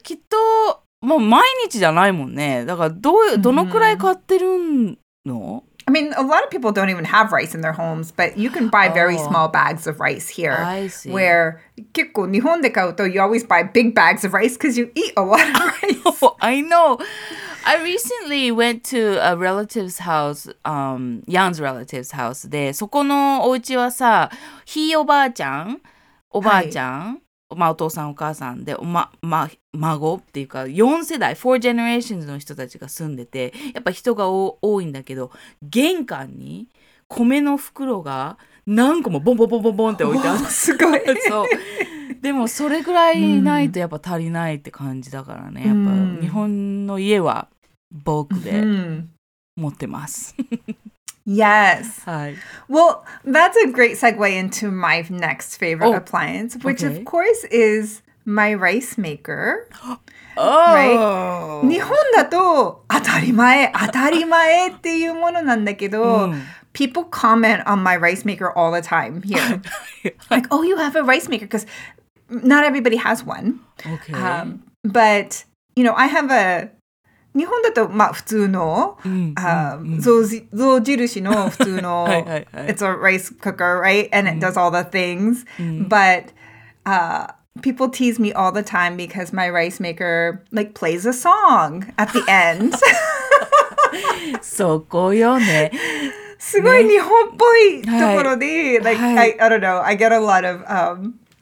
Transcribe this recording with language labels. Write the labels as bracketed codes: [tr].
[ja] きっと、もう毎日じゃないもんね。だから どのくらい買ってるの？ [en] I mean, a lot of people don't even have rice in their homes, but you can buy very small bags of rice here. I see. Where [ja] 結構日本で買うと [en] you always buy big bags of rice because you eat a lot of rice. I know. I recently went to a relative's house, Yan's relative's house. [ja] で、そこのお家はさ、ひいおばあちゃん、おばあちゃん、はいまあ、お父さんお母さんで、孫っていうか4世代 [en] 4 generations [ja] の人たちが住んでてやっぱ人が多いんだけど玄関に米の袋が何個もボンボンボンボンボンって置いてあるすごいそうでもそれぐらいないとやっぱ足りないって感じだからねやっぱ日本の家は僕で持ってます [en] Yes. Hi. Well, that's a great segue into my next favorite appliance, which of course is my rice maker. Oh! Right? [ja] 日本だと当たり前っていうものなんだけど、 [en] people comment on my rice maker all the time here. Like, oh, you have a rice maker, because not everybody has one. Okay. But, you know, I have a... [ja] 日本だと、まあ、普通の、象印の普通の、はいはいはい、 [en] It's a rice cooker, right? And it does all the things. But people tease me all the time because my rice maker, like, plays a song at the end. [ja] そこよね。すごい日本っぽいところで、ね、 [en] like, I don't know, I get a lot of...